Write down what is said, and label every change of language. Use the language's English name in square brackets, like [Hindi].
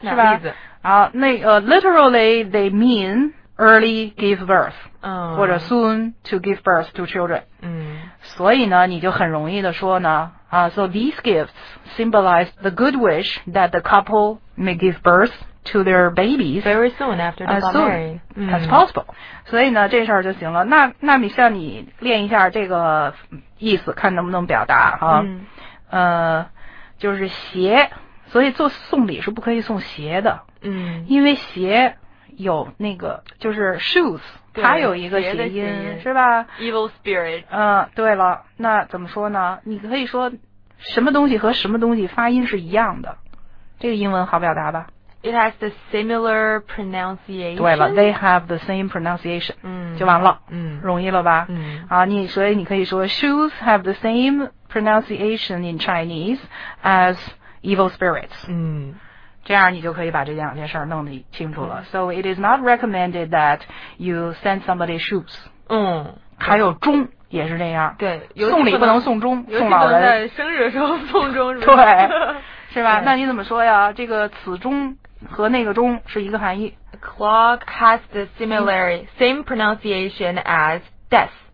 [Chinese] 是吧，啊，那个 [English] literally they mean early give birth，嗯，或者 soon to give birth to children，嗯， [Chinese] 所以呢，你就很容易的说呢，啊， [English] so these gifts symbolize the good wish that the couple may give birth to their babies very soon after they got married. As possible. [Chinese] 所以呢，这事儿就行了。那你像你练一下这个意思，看能不能表达哈。就是鞋，所以做送礼是不可以送鞋的。因为鞋有那个就是 shoes， 它有一个谐音是吧 [English] ？Evil spirit。 [Chinese] 对了，那怎么说呢？你可以说什么东西和什么东西发音是一样的，这个英文好表达吧 [English] ？It has the similar pronunciation。 [Chinese] 对了 ， [English] they have the same pronunciation。 [Chinese] 就完了。容易了吧？所以你可以说 [English] shoes have the same pronunciation in Chinese as evil spirits。 [Chinese] 这样你就可以把这两件事儿弄得清楚了。 [English] So it is not recommended that you send somebody shoes. [Chinese] 还有钟也是这样。对，送礼不能送钟，送老人。在生日的时候送钟是吧？对，是吧？那你怎么说呀？这个此钟和那个钟是一个含义。 [English] The clock has the same pronunciation as death.